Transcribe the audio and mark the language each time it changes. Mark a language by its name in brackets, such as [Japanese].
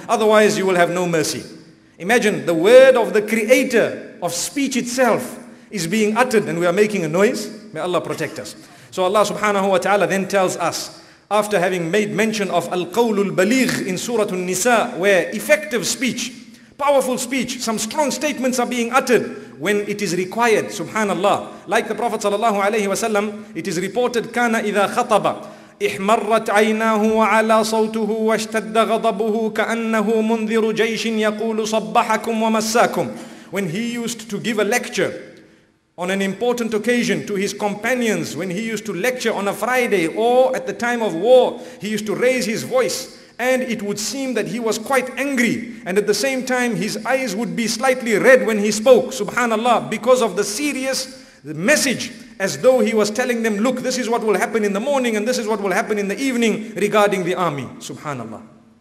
[English] Otherwise you will have no mercy. Imagine the word of the creator of speech itself is being uttered and we are making a noise. May Allah protect us. So Allah subhanahu wa ta'ala then tells us, after having made mention of Al-Qawl Al-Baligh in Surah Al-Nisa, where effective speech, powerful speech, some strong statements are being uttered when it is required, subhanallah. Like the Prophet sallallahu alayhi wa sallam, it is reported, [Arabic] كَانَ إِذَا خَطَبَ إِحْمَرَّتْ عَيْنَاهُ وَعَلَى صَوْتُهُ وَاشْتَدَّ غَضَبُهُ كَأَنَّهُ مُنذِرُ جَيْشٍ يَقُولُ صَبَّحَكُمْ وَمَسَّاكُمْ. [English] When he used to give a lecture on an important occasion to his companions, when he used to lecture on a Friday or at the time of war, he used to raise his voice and it would seem that he was quite angry, and at the same time his eyes would be slightly red when he spoke, subhanallah, because of the serious message, as though he was telling them, look, this is what will happen in the morning and this is what will happen in the evening regarding the army, subhanallah.